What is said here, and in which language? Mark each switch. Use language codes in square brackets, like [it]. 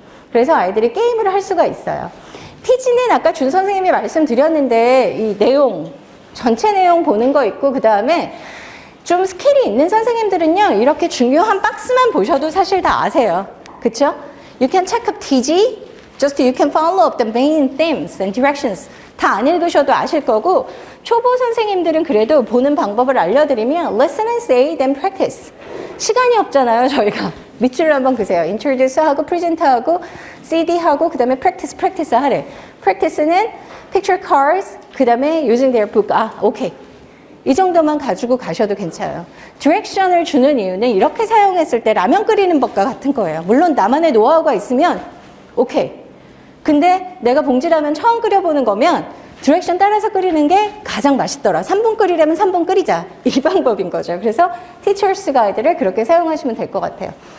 [ko] 그래서 아이들이 게임을 할 수가 있어요. 티지는 아까 준 선생님이 말씀드렸는데 이 내용 전체 내용 보는 거 있고 그 다음에 좀 스킬이 있는 선생님들은요 이렇게 중요한 박스만 보셔도 사실 다 아세요. 그쵸? [en] You can check up TG just you can follow up the main themes and directions. [ko] 다 안 읽으셔도 아실 거고 초보 선생님들은 그래도 보는 방법을 알려드리면 [en] listen and say then practice. [ko] 시간이 없잖아요 저희가. 밑줄을 한번 그세요. introduce하고 present하고 CD하고 그 다음에 practice, practice 하래. [en] practice는 picture cards [ko] 그 다음에 [en] using their book. [ko] 아 오케이. 이 정도만 가지고 가셔도 괜찮아요. direction을 주는 이유는 이렇게 사용했을 때 라면 끓이는 법과 같은 거예요. 물론 나만의 노하우가 있으면 오케이. 근데 내가 봉지라면 처음 끓여보는 거면 direction 따라서 끓이는 게 가장 맛있더라. 3분 끓이려면 3분 끓이자. 이 방법인 거죠. 그래서 teacher's guide를 그렇게 사용하시면 될 것 같아요.